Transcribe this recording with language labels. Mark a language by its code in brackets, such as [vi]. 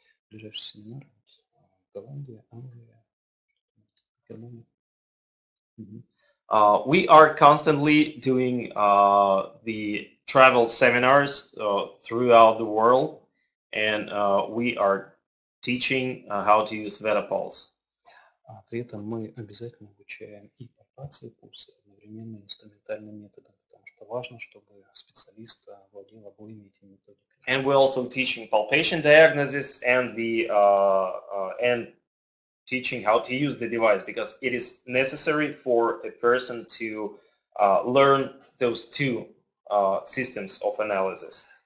[ru] Ближайший семинар в Голландии, Англии, Германии. [en] We are constantly doing the travel seminars throughout the world, and we are teaching how to use VetaPulse. [ru] При этом мы обязательно обучаем и пальпации пульса, и одновременно инструментальным методом, потому что важно, чтобы специалист владел обоими этими методами. [en] And we're also teaching palpation diagnosis and the and teaching how to use the device, because it is necessary for a person to learn those two systems of analysis.